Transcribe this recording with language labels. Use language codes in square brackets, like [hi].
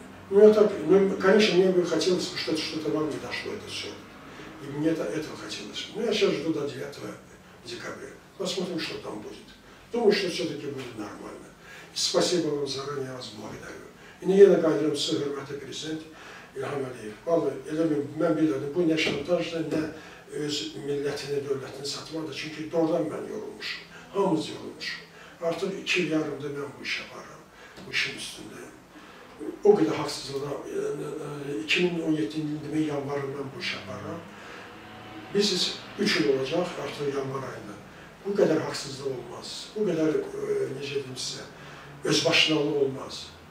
[ru] Ну, я так, ну, конечно, мне бы хотелось, чтобы что-то вам не дошло, это все. И мне этого хотелось. Ну, я сейчас жду до 9 декабря. Посмотрим, что там будет. Думаю, что все-таки будет нормально. И спасибо вам заранее, я вас благодарю. И не я на камеру, это президент. [az] Yəhəməliyev. Vallahi elə bir, mən bilirdim, bu nə şantajdır, nə öz millətini, dövlətini satmadır. Çünki doğrudan mən yorulmuşum, hamımız yorulmuşum. Artıq 2 il yarımdır mən bu işə varam, bu işin üstündəyim. O qədər haqsızlığa, 2017-ci ildə mən yanvarımdan bu işə varam. Biz 3 il olacaq artıq yanvar ayında. Bu qədər haqsızlıq olmaz, bu qədər, necə deyim sizə, özbaşınalıq olmaz.